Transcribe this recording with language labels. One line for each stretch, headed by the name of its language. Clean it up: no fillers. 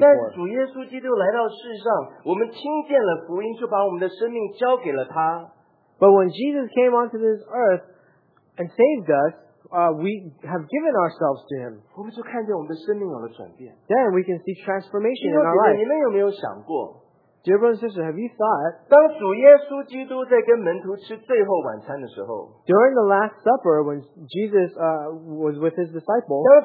Chinese: 但主耶稣基督来到世上, 我们听见了福音, 就把我们的生命交给了他。
English: But when Jesus came onto this earth and saved us, we have given ourselves to Him.
Chinese: 我们就看见我们的生命有了转变。
English: Then we can see transformation in our life.
Chinese: 你们有没有想过?
English: Dear brothers and sisters, have you thought?
Chinese: 当主耶稣基督在跟门徒吃最后晚餐的时候,
English: during the Last Supper, when Jesus was with his disciples,